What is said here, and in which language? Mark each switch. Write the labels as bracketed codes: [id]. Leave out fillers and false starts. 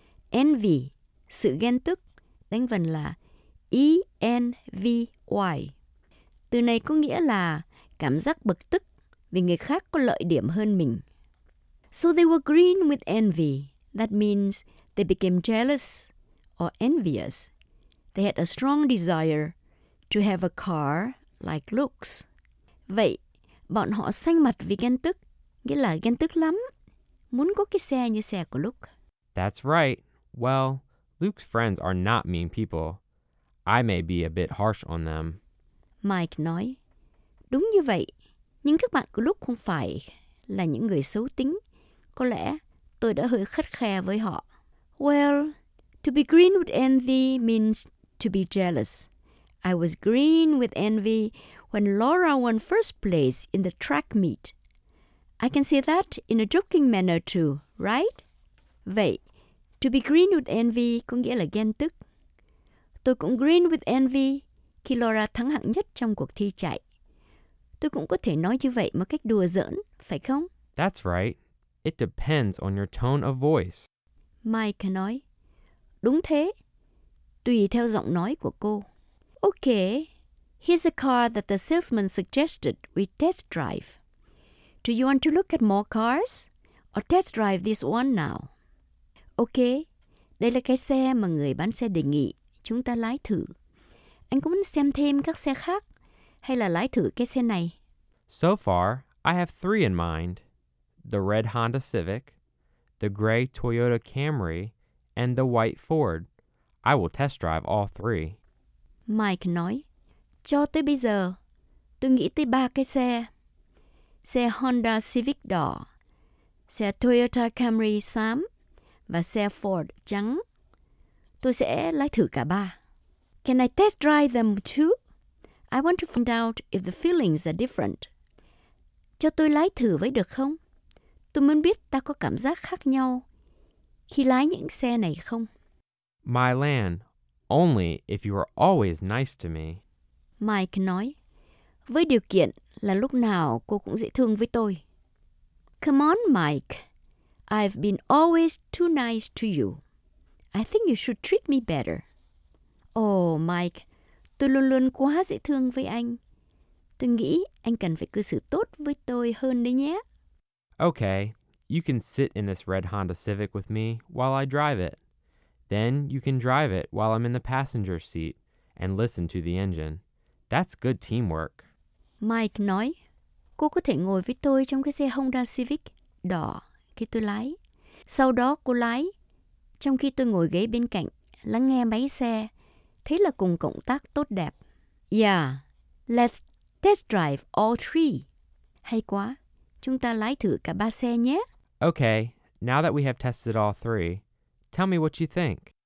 [vi] Envy, sự ghen tức, đánh vần là E-N-V-Y. Từ này có nghĩa là cảm giác bực tức vì người khác có lợi điểm hơn mình. [en] So they were green with envy. That means They became jealous or envious. They had a strong desire to have a car like Luke's. [vi] Vậy, bọn họ xanh mặt vì ghen tức, nghĩa là ghen tức lắm, muốn có cái xe như xe của Luke. [en] That's right. Well, Luke's friends are not mean people. I may be a bit harsh on them. [vi] Mike nói, đúng như vậy, nhưng các bạn của Luke không phải là những người xấu tính. Có lẽ tôi đã hơi khắt khe với họ. [en] Well, to be green with envy means to be jealous. I was green with envy when Laura won first place in the track meet. I can say that in a joking manner too, right? [vi] Vậy, [en] to be green with envy [vi] có nghĩa là ghen tức. Tôi cũng [en] green with envy [vi] khi Laura thắng hạng nhất trong cuộc thi chạy. Tôi cũng có thể nói như vậy một cách đùa giỡn, phải không? [en] That's right. It depends on your tone of voice. [vi] Mike nói, đúng thế, tùy theo giọng nói của cô. [en] Okay, here's a car that the salesman suggested we test drive. Do you want to look at more cars or test drive this one now? [vi] Okay, đây là cái xe mà người bán xe đề nghị chúng ta lái thử. Anh có muốn xem thêm các xe khác hay là lái thử cái xe này? [en] So far, I have three in mind. The red Honda Civic, the gray Toyota Camry, and the white Ford. I will test drive all three. [vi] Mike nói, cho tới bây giờ, tôi nghĩ tới ba cái xe. Xe Honda Civic đỏ, xe Toyota Camry xám, và xe Ford trắng. Tôi sẽ lái thử cả ba. [en] Can I test drive them too? I want to find out if the feelings are different. [vi] Cho tôi lái thử với được không? Tôi muốn biết ta có cảm giác khác nhau khi lái những xe này không? [en] My land, only if you are always nice to me. [vi] Mike nói, với điều kiện là lúc nào cô cũng dễ thương với tôi. [en] Come on, Mike. I've been always too nice to you. I think you should treat me better. [vi] Oh, Mike, tôi luôn luôn quá dễ thương với anh. Tôi nghĩ anh cần phải cư xử tốt với tôi hơn đấy nhé. [en] Okay, you can sit in this red Honda Civic with me while I drive it. Then you can drive it while I'm in the passenger seat and listen to the engine. That's good teamwork. [vi] Mike nói, cô có thể ngồi với tôi trong cái xe Honda Civic đỏ khi tôi lái. Sau đó cô lái, trong khi tôi ngồi ghế bên cạnh, lắng nghe máy xe. Thế là cùng cộng tác tốt đẹp. [en] Yeah, let's test drive all three. [vi] Hay quá. Chúng ta lái thử cả ba xe nhé. [en] Okay, now that we have tested all three, tell me what you think.